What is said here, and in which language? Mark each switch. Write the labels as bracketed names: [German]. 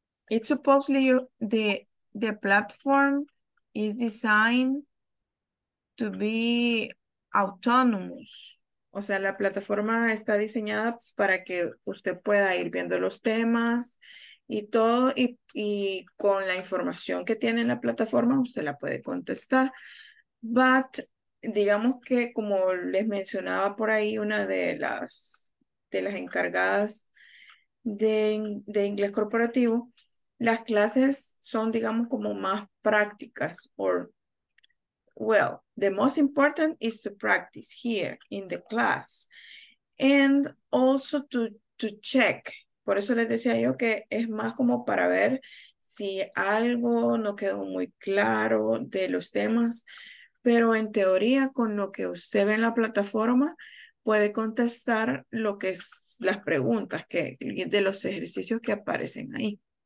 [English] It's supposedly the platform is designed to be autonomous. [Spanish] O sea, la plataforma está diseñada para que usted pueda ir viendo los temas y todo, y con la información que tiene en la plataforma, usted la puede contestar. But, digamos que como les mencionaba por ahí, una de las encargadas de inglés corporativo, las clases son, digamos, como más prácticas. [English] Or, well, the most important is to practice here in the class. And also to check. [Spanish] Por eso les decía yo que es más como para ver si algo no quedó muy claro de los temas. Pero en teoría, con lo que usted ve en la plataforma, puede contestar lo que es las preguntas que, de los ejercicios que aparecen ahí.